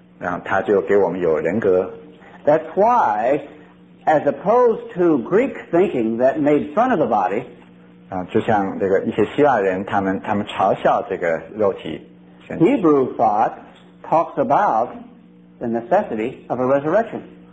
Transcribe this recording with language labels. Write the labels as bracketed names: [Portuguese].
[English] That's why, as opposed to Greek thinking that made fun of the body, [Chinese] 就像这个一些希腊人他们嘲笑这个肉体, [English] Hebrew thought talks about the necessity of a resurrection.